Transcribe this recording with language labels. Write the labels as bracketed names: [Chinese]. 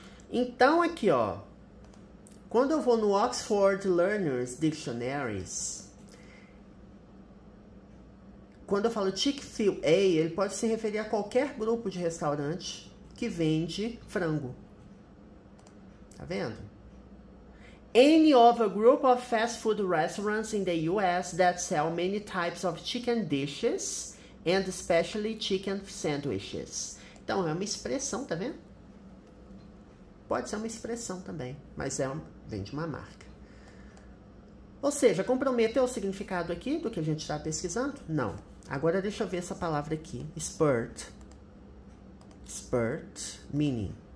[Portuguese] Então, aqui, ó. Quando eu vou no Oxford Learners Dictionaries, quando eu falo Chick-fil-A, ele pode se referir a qualquer grupo de restaurante que vende frango. Tá vendo? [English] Any of a group of fast food restaurants in the US that sell many types of chicken dishes and especially chicken sandwiches. [Portuguese] Então, é uma expressão, tá vendo? Pode ser uma expressão também, mas vem de uma marca. Ou seja, comprometeu o significado aqui do que a gente está pesquisando? Não. Agora deixa eu ver essa palavra aqui. [English] Spurt. Spurt, meaning.